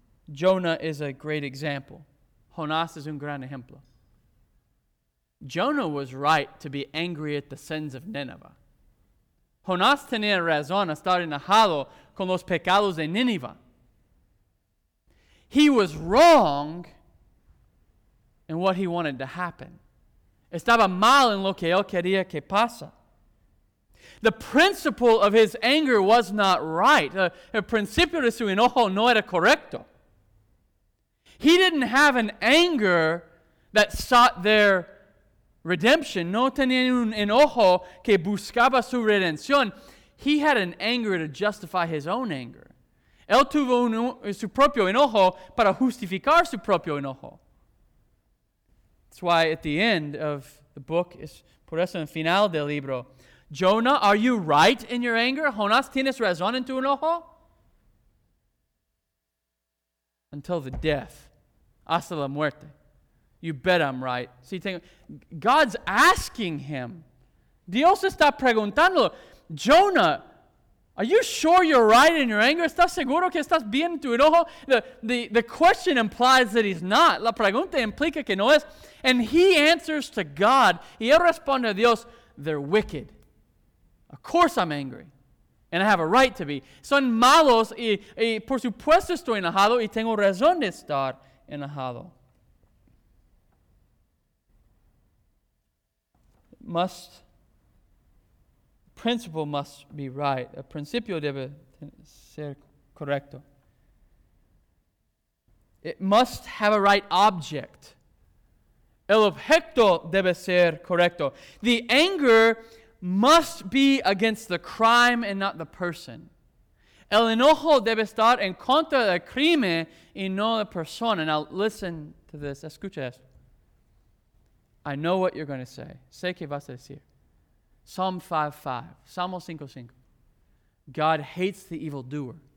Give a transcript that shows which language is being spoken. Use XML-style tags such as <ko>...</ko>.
<en>Jonah is a great example.</en> <es>Jonás es un gran ejemplo.</es> <en>Jonah was right to be angry at the sins of Nineveh.</en> <es>Jonás tenía razón a estar enojado con los pecados de Nineveh.</es> <en>He was wrong in what he wanted to happen.</en> <es>Estaba mal en lo que él quería que pasa.</es> <en>The principle of his anger was not right.</en> <es>El principio de su enojo no era correcto.</es> <en>He didn't have an anger that sought their redemption.</en> <es>No tenía un enojo que buscaba su redención.</es> <en>He had an anger to justify his own anger.</en> <es>Él tuvo su propio enojo para justificar su propio enojo.</es> <en>That's why at the end of the book,</en> <es>por eso en final del libro,</es> <en>Jonah, are you right in your anger?</en> <es>Jonas, tienes razón en tu enojo?</es> <en>Until the death.</en> <es>Hasta la muerte.</es> <en>You bet I'm right. See, God's asking him.</en> <es>Dios está preguntando.</es> <en>Jonah, are you sure you're right in your anger?</en> <es>¿Estás seguro que estás bien en tu enojo?</es> <en>The question implies that he's not.</en> <es>La pregunta implica que no es.</es> <en>And he answers to God.</en> <es>Y él responde a Dios,</es> <en>they're wicked. Of course I'm angry. And I have a right to be.</en> <es>Son malos y por supuesto estoy enojado y tengo razón de estar enojado.</es> <en>Principle must be right.</en> <es>El principio debe ser correcto.</es> <en>It must have a right object.</en> <es>El objeto debe ser correcto.</es> <en>The anger must be against the crime and not the person.</en> <es>El enojo debe estar en contra del crimen y no la persona.</es> <en>Now listen to this.</en> <es>Escucha esto.</es> <en>I know what you're going to say.</en> <es>Sé que vas a decir.</es> <en>Psalm 5:5. God hates the evildoer.</en>